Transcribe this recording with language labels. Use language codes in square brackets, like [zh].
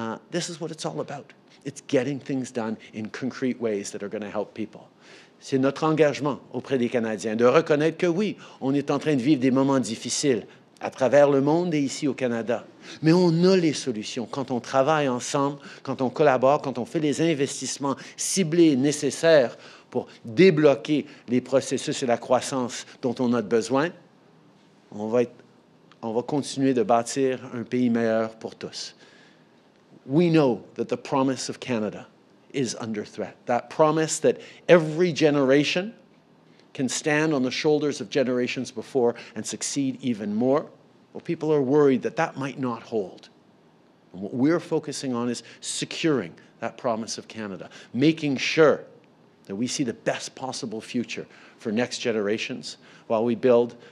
[en] This is what it's all about. It's getting things done in concrete ways that are going to help people. [fr] C'est notre engagement auprès des Canadiens de reconnaître que oui, on est en train de vivre des moments difficiles à travers le monde et ici au Canada. Mais on a les solutions quand on travaille ensemble, quand on collabore, quand on fait les investissements ciblés et nécessaires pour débloquer les processus et la croissance dont on a besoin. On va continuer de bâtir un pays meilleur pour tous. [en] We know that the promise of Canada is under threat. That promise that every generation can stand on the shoulders of generations before and succeed even more, well, people are worried that that might not hold. And what we're focusing on is securing that promise of Canada, making sure that we see the best possible future for next generations while we build